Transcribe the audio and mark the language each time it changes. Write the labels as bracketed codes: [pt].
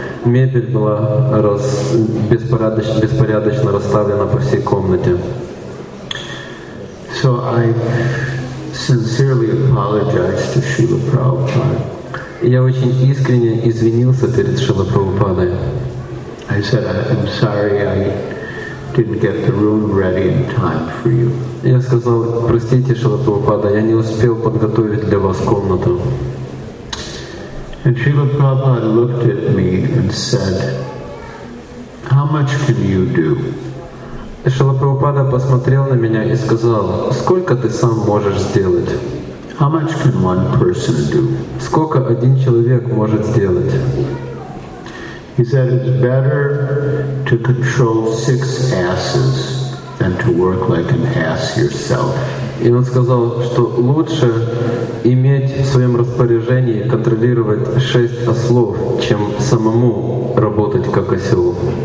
[ru] Мебель была беспорядочно расставлена по всей комнате. [en] So I sincerely apologize to Srila Prabhupada. [ru] Я очень искренне извинился перед Шрилой Прабхупадой. [en] I said, I'm sorry, I didn't get the room ready in time for you. [ru] Я сказал, простите, Шрила Прабхупада, я не успел подготовить для вас комнату. [en] And Srila Prabhupada looked at me and said, how much can you do? [ru] Шрила Прабхупада посмотрел на меня и сказал, сколько ты сам можешь сделать? [en] How much can one person do? [ru] Сколько один человек может сделать? [en] He said it's better to control six asses than to work like an ass yourself. [ru] И он сказал, что лучше иметь в своем распоряжении контролировать шесть ослов, чем самому работать как осел.